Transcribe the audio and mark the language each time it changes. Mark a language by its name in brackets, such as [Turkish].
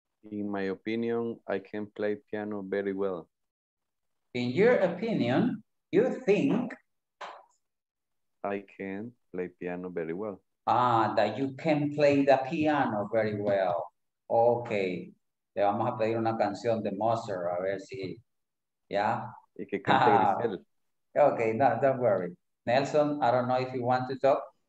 [English] In my opinion, I can play piano very well. In your opinion, you think? I can play piano very well. Ah, that you can play the piano very well. Okay. [Spanish] Le vamos a pedir una canción de Mozart, a ver si. [English] Yeah? [Spanish] Y que cante Grisel. [English] Okay, no, don't worry. Nelson, I don't know if you want to talk.